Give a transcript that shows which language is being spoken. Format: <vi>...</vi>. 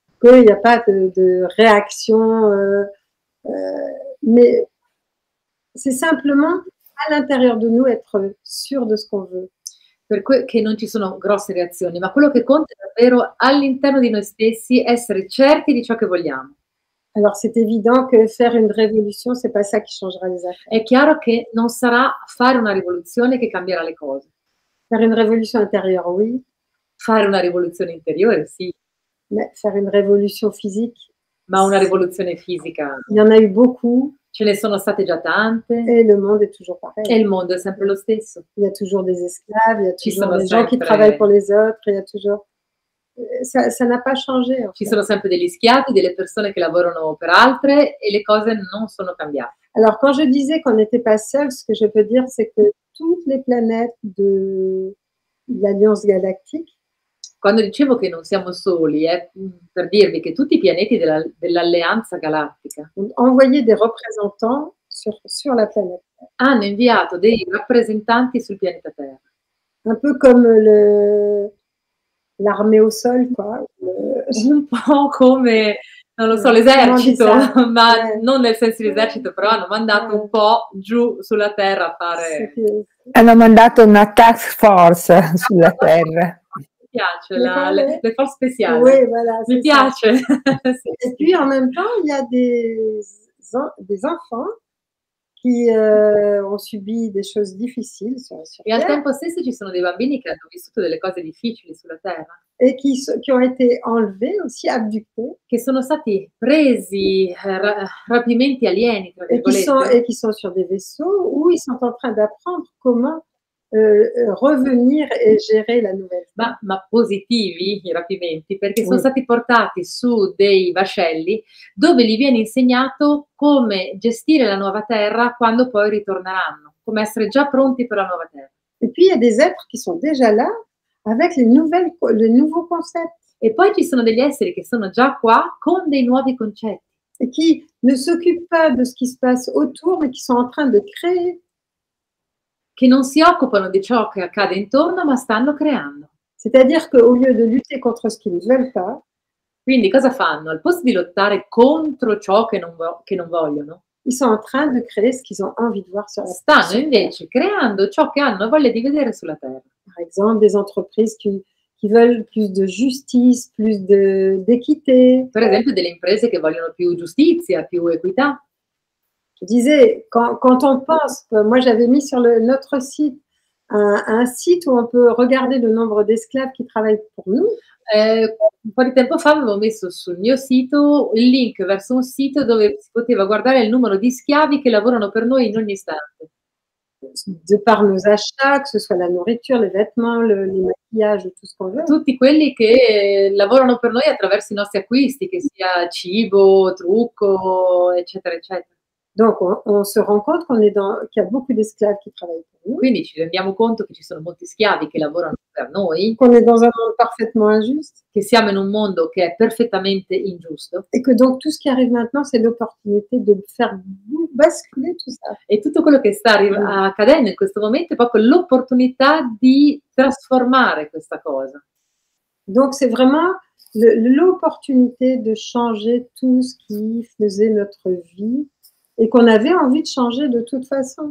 <fr>Qu'il n'y a pas de réaction. Mais c'est simplement à l'intérieur de nous être sûr de ce qu'on veut.</fr> <it>Per cui che non ci sono grosse reazioni, ma quello che conta è davvero all'interno di noi stessi essere certi di ciò che vogliamo.</it> <fr>Alors c'est évident que faire une révolution, c'est pas ça qui changera les affaires.</fr> <it>È chiaro che non sarà fare una rivoluzione che cambierà le cose.</it> <fr>Faire une révolution intérieure, oui.</fr> <it>Fare una rivoluzione interiore, sì.</it> <fr>Mais faire une révolution physique.</fr> <it>Ma una rivoluzione fisica.</it> <fr>Il y en a eu beaucoup.</fr> <it>Ce ne sono state già tante.</it> <fr>Et le monde est toujours pareil.</fr> <it>E il mondo è sempre lo stesso.</it> <fr>Il y a toujours des esclaves, il y a toujours des gens qui travaillent pour les autres, il y a toujours. Ça n'a pas changé.</fr> <it>Ci sono sempre degli schiavi, delle persone che lavorano per altre e le cose non sono cambiate.</it> <fr>Alors quand je disais qu'on n'était pas seul, ce que je peux dire c'est que toutes les planètes de l'Alliance Galactique.</fr> <it>Quando dicevo che non siamo soli, per dirvi che tutti i pianeti dell'Alleanza Galattica</it> <fr>ont envoyé des représentants sur la planète.</fr> <it>Hanno inviato dei rappresentanti sul pianeta Terra.</it> <fr>Un peu comme l'armée au sol, quoi.</fr> <it>Un po' come, non lo so, l'esercito, ma non nel senso di esercito, però hanno mandato un po' giù sulla Terra a fare. Hanno mandato una task force sulla Terra. Mi piace le forze speciali.</it> <fr>Oui, voilà,</fr> <it>mi piace. E poi,</it> <fr>en même temps, il y a des enfants qui ont subi des choses difficiles sur Terre.</fr> <it>E al tempo stesso ci sono dei bambini che hanno vissuto delle cose difficili sulla Terra.</it> <fr>E qui ont été enlevés aussi, abductés.</fr> <it>Che sono stati presi, rapimenti alieni, tra virgolette.</it> <fr>E qui sont sur des vaisseaux où ils sont en train d'apprendre comment revenir e gérer la nouvelle.</fr> <it>Ma positivi i rapimenti, perché sono stati portati su dei vascelli dove gli viene insegnato come gestire la nuova terra quando poi ritorneranno, come essere già pronti per la nuova terra. E poi</it> <fr>il y a des êtres qui sont déjà là avec le nouveau concept.</fr> <it>E poi ci sono degli esseri che sono già qua con dei nuovi concetti.</it> <fr>E qui ne s'occupent pas de ce qui se passe autour, mais qui sont en train de créer.</fr> <it>Che non si occupano di ciò che accade intorno, ma stanno creando.</it> <fr>C'est-à-dire que au lieu de lutter contre ce qu'ils ne veulent pas,</fr> <it>quindi cosa fanno? Al posto di lottare contro ciò che non vogliono,</it> <fr>ils sont en train de créer ce qu'ils ont envie de voir sur la terre.</fr> <it>Stanno invece creando ciò che hanno voglia di vedere sulla terra.</it> <fr>Par exemple, des entreprises qui veulent plus de justice, plus d'équité.</fr> <it>Per esempio, delle imprese che vogliono più giustizia, più equità.</it> <fr>Je disais, quand on pense, moi j'avais mis sur notre site un site où on peut regarder le nombre d'esclaves qui travaillent pour nous.</fr> <it>Un po' di tempo fa avevo messo sul mio sito il link verso un sito dove si poteva guardare il numero di schiavi che lavorano per noi in ogni istante.</it> <fr>De par nos achats, que ce soit la nourriture, les vêtements, les maquillages, tout ce qu'on veut.</fr> <it>Tutti quelli che lavorano per noi attraverso i nostri acquisti, che sia cibo, trucco, eccetera, eccetera.</it> <fr>Donc on se rend compte qu'on est dans qu'il y a beaucoup d'esclaves qui travaillent pour nous.</fr> <it>Quindi ci rendiamo conto che ci sono molti schiavi che lavorano per noi.</it> <fr>Qu'on est dans un monde parfaitement injuste.</fr> <it>Che siamo in un mondo che è perfettamente ingiusto.</it> <fr>Et que donc tout ce qui arrive maintenant, c'est l'opportunité de faire basculer tout ça.</fr> <it>E tutto quello che sta accadendo in questo momento è proprio l'opportunità di trasformare questa cosa.</it> <fr>Donc c'est vraiment l'opportunité de changer tout ce qui faisait notre vie. e qu'on avait envie de changer de toute façon.</fr>